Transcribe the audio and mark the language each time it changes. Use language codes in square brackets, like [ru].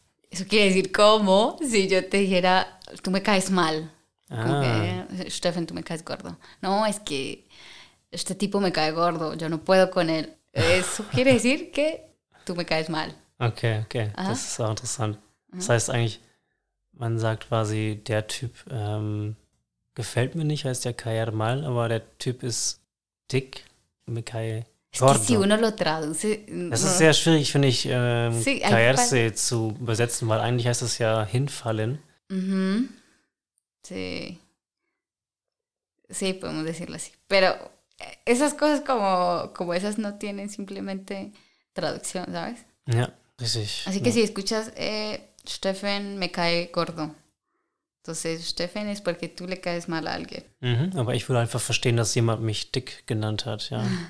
[es] Eso quiere decir como si yo te dijera, tú me caes mal. Steffen, tú me caes gordo. No, es que este tipo me cae gordo. Yo no puedo con él. Eso quiere decir que tú me caes mal. Okay, okay. Aha. [de] Das ist auch interessant. Das heißt eigentlich, man sagt quasi, der Typ gefällt mir nicht, heißt ja [es] caer mal, [de] aber der Typ ist dick, [es] me cae gordo. Es que si uno lo traduce, [de] das ist sehr schwierig, finde ich, caerse zu übersetzen, weil eigentlich heißt das ja hinfallen. [es] Mhm. Sí. Sí, podemos decirlo así. Pero... Esas cosas como esas no tienen simplemente traducción, ¿sabes? [de] Ja, richtig. [es] Así que si escuchas, Steffen me cae gordo. Entonces, Steffen es porque tú le caes mal a alguien. [de] Mhm, aber ich würde einfach verstehen, dass jemand mich dick genannt hat, ja.